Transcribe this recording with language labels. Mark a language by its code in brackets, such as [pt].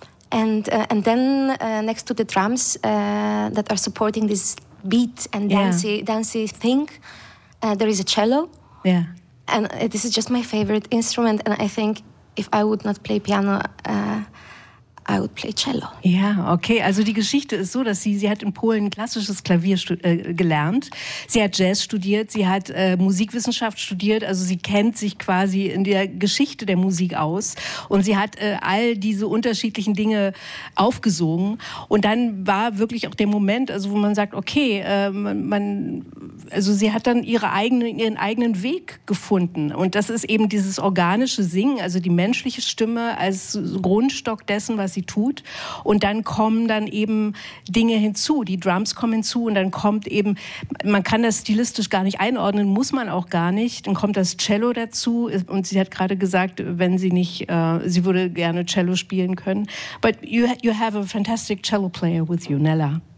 [en] And then next to the drums that are supporting this beat and dancey thing, there is a cello. Yeah. And this is just my favorite instrument. And I think if I would not play piano, I would play cello. [de] Ja, okay. Also die Geschichte ist so, dass sie hat in Polen klassisches Klavier gelernt. Sie hat Jazz studiert, sie hat Musikwissenschaft studiert. Also sie kennt sich quasi in der Geschichte der Musik aus. Und sie hat all diese unterschiedlichen Dinge aufgesogen. Und dann war wirklich auch der Moment, also wo man sagt, okay, sie hat dann ihren eigenen Weg gefunden. Und das ist eben dieses organische Singen, also die menschliche Stimme als Grundstock dessen, was sie tut. Und dann kommen dann eben Dinge hinzu. Die Drums kommen hinzu und dann kommt eben, man kann das stilistisch gar nicht einordnen, muss man auch gar nicht. Dann kommt das Cello dazu und sie hat gerade gesagt, wenn sie nicht, sie würde gerne Cello spielen können. [en] But you have a fantastic cello player with you, Nella.